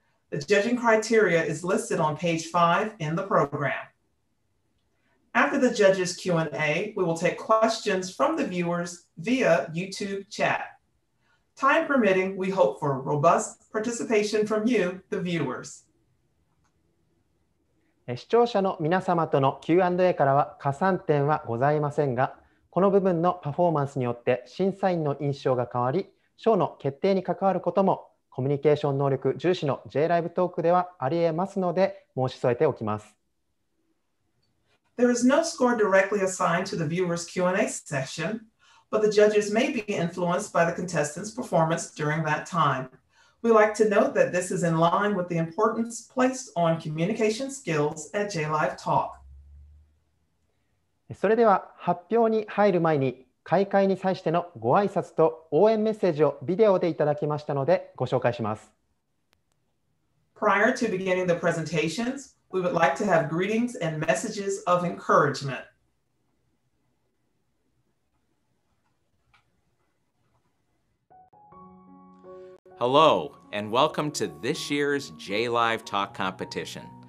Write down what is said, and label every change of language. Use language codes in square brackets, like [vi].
[en] The judging criteria is listed on page 5 in the program. After the judges' Q&A, we will take questions from the viewers via YouTube chat. Time permitting, we hope for robust participation from you, the viewers. [ja] 視聴者の皆様との Q&A からは加算点はございませんが、この部分のパフォーマンスによって審査員の印象が変わり、賞の決定に関わることもコミュニケーション能力重視の J LIVE トークではありえますので、申し添えておきます。 [en] There is no score directly assigned to the viewers' Q&A session, but the judges may be influenced by the contestants' performance during that time. We like to note that this is in line with the importance placed on communication skills at JLive Talk. [ja] それでは発表に入る前に、開会に際してのご挨拶と応援メッセージをビデオでいただきましたのでご紹介します。 [en] Prior to beginning the presentations,We would like to have greetings and messages of encouragement. Hello, and welcome to this year's JLive Talk competition.